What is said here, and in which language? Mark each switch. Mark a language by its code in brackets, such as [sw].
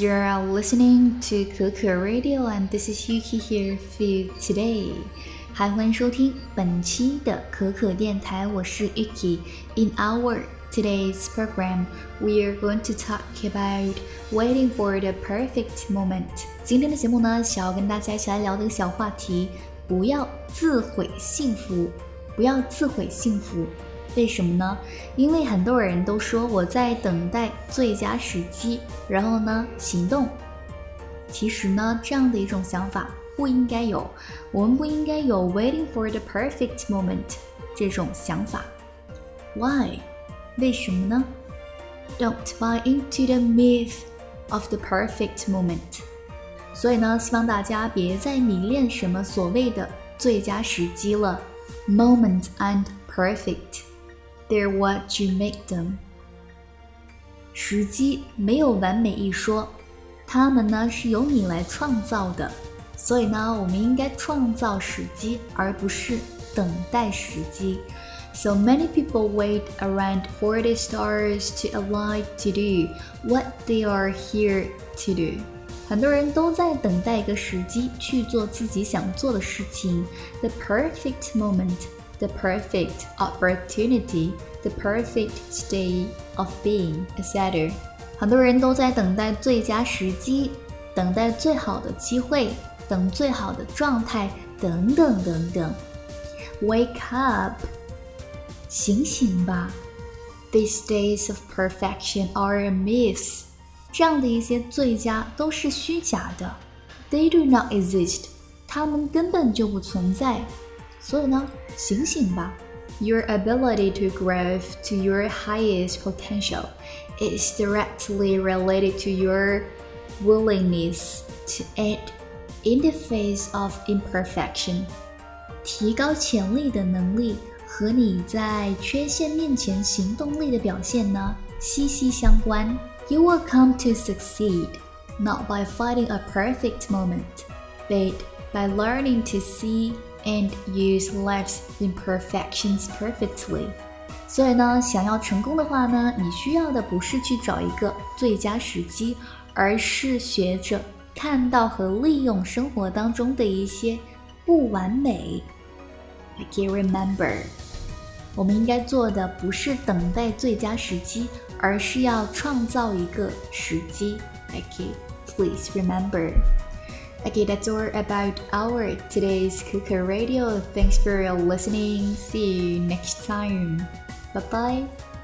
[en] You're listening to Kuku Radio, and this is Yuki here for you today. [zh] 欢迎收听本期的可可电台，我是 Yuki. [en] In our today's program, we are going to talk about waiting for the perfect moment. [zh] 今天的节目呢，想要跟大家一起来聊的小话题，不要自毁幸福，不要自毁幸福。为什么呢？因为很多人都说我在等待最佳时机，然后呢行动。其实呢，这样的一种想法不应该有，我们不应该有 [en] waiting for the perfect moment [zh] 这种想法。 [en] Why? [zh] 为什么呢？ [en] Don't buy into the myth of the perfect moment. [zh] 所以呢，希望大家别再迷恋什么所谓的最佳时机了。 [en] Moment and perfect. They're what you make them. [zh] 时机没有完美一说，他们呢是由你来创造的，所以呢我们应该创造时机，而不是等待时机。 [en] So many people wait around 40 stars to align to do what they are here to do. [zh] 很多人都在等待一个时机去做自己想做的事情。 [en] The perfect momentThe perfect opportunity, the perfect state of being, etc. [zh] 很多人都在等待最佳时机，等待最好的机会，等最好的状态，等等等等。 [en] Wake up! [zh] 醒醒吧！ [en] These days of perfection are a myth. [zh] 这样的一些最佳都是虚假的。 [en] They do not exist. [zh] 它们根本就不存在。所以呢，醒醒吧。 [en] Your ability to grow to your highest potential is directly related to your willingness to act in the face of imperfection. [zh] 提高潜力的能力和你在缺陷面前行动力的表现呢，息息相关。 [en] You will come to succeed not by fighting a perfect moment, but by learning to seeand use life's imperfections perfectly. [zh] 所以呢，想要成功的话呢，你需要的不是去找一个最佳时机，而是学着看到和利用生活当中的一些不完美。 [en] I can remember. [zh] 我们应该做的不是等待最佳时机，而是要创造一个时机。 [en] I can please remember. Okay, that's all about our today's Kuku Radio. Thanks for your listening. See you next time. Bye-bye.